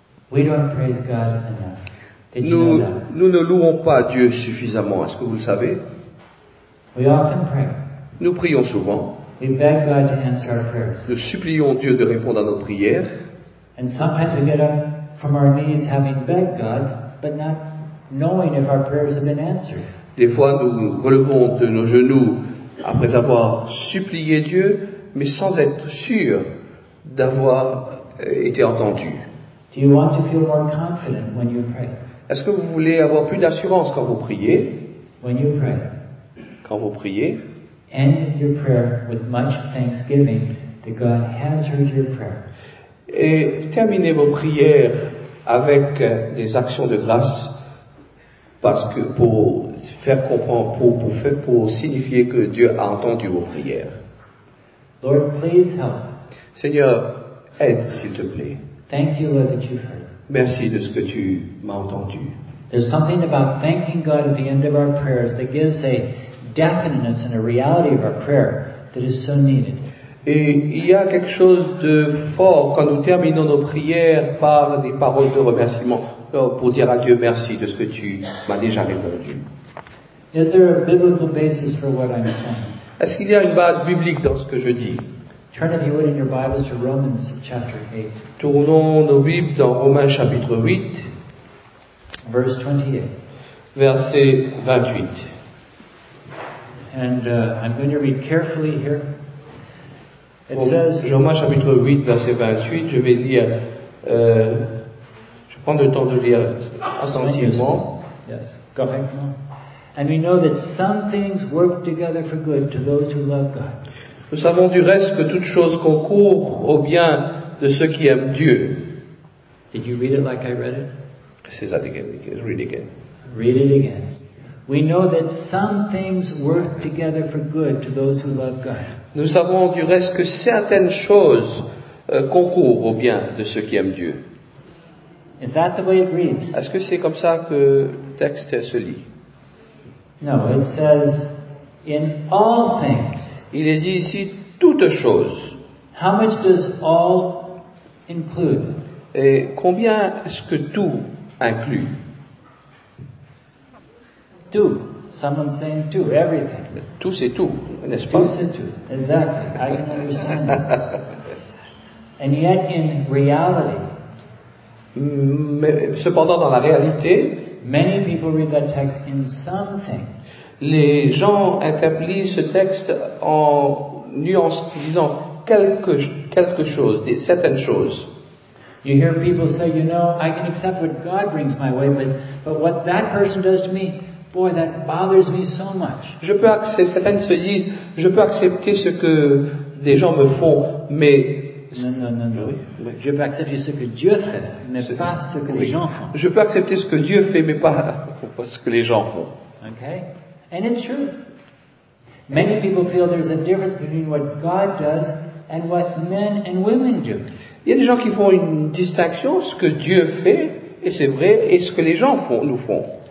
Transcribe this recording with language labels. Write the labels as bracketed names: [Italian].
[English] We don't praise God enough. [French] Nous ne louons pas Dieu suffisamment, est-ce que vous le savez? [English] We often pray. [French] Nous prions souvent. [English] We beg God to answer our prayers. [French] Nous supplions Dieu de répondre à nos prières. [English] And sometimes we get up from our knees having begged God, but not knowing if our prayers have been answered. [French] Des fois nous relevons de nos genoux après avoir supplié Dieu, mais sans être sûr d'avoir été entendu. [English] Do you want to feel more confident when you pray? [French] Est-ce que vous voulez avoir plus d'assurance quand vous priez? [English] When you pray. [French] Quand vous priez. [English] End your prayer with much thanksgiving that God has heard your prayer. [French] Et terminez vos prières avec des actions de grâce parce que pour signifier que Dieu a entendu vos prières. [English] Lord, please help. [French] Seigneur, aide s'il te plaît. [English] Thank you, Lord, that you've heard. [French] Merci de ce que tu m'as entendu. [English] There's something about thanking God at the end of our prayers that gives a definiteness and a reality of our prayer that is so needed. [French] Et il y a quelque chose de fort quand nous terminons nos prières par des paroles de remerciement pour dire à Dieu merci de ce que tu m'as déjà répondu. [English] Is there a biblical basis for what I'm saying? [French] Est-ce qu'il y a une base biblique dans ce que je dis? [English] Turn if you would in your Bibles to Romans chapter 8. [French] Tournons nos Bibles dans Romains chapitre 8. [English] Verse 28. [French] Verset 28. [English] And I'm going to read carefully here. [French] Romains chapitre 8, verset 28, je vais lire, je prends le temps de lire attentivement. [English] Yes, [French] correctement. [English] And we know that some things work together for good to those who love God. [French] Nous savons du reste que toutes choses concourent au bien de ceux qui aiment Dieu. [English] Did you read it like I read it? Say that again. Read it again. Read it again. We know that some things work together for good to those who love God. [French] Nous savons du reste que certaines choses concourent au bien de ceux qui aiment Dieu. [English] Is that the way it reads? [French] Est-ce que c'est comme ça que le texte se lit? [English] No, it says in all things. [French] Il est dit ici toutes choses. [English] How much does all include? [French] Et combien est-ce que tout inclut? Tout. [English] Someone saying tout, everything. [French] Tout c'est tout, n'est-ce pas? Tout c'est tout, [English] exactly. I can understand that. And yet in reality. [French] Mais cependant dans la réalité. [English] Many people read that text in some things. [French] Les gens interprètent ce texte en nuance, disant quelque chose, certaines choses. [English] You hear people say, you know, I can accept what God brings my way, but what that person does to me. Boy, that bothers me so much. [French] Je peux accepter, certaines se disent, je peux accepter ce que les gens me font, mais... Non. Je peux accepter ce que Dieu fait, mais pas ce que les gens font. Je peux accepter ce que Dieu fait, mais pas ce que les gens font. [English] Okay? And it's true. Many people feel there's a difference between what God does and what men and women do. [French] Il y a des gens qui font une distinction, ce que Dieu fait, et c'est vrai, et ce que les gens font, nous font.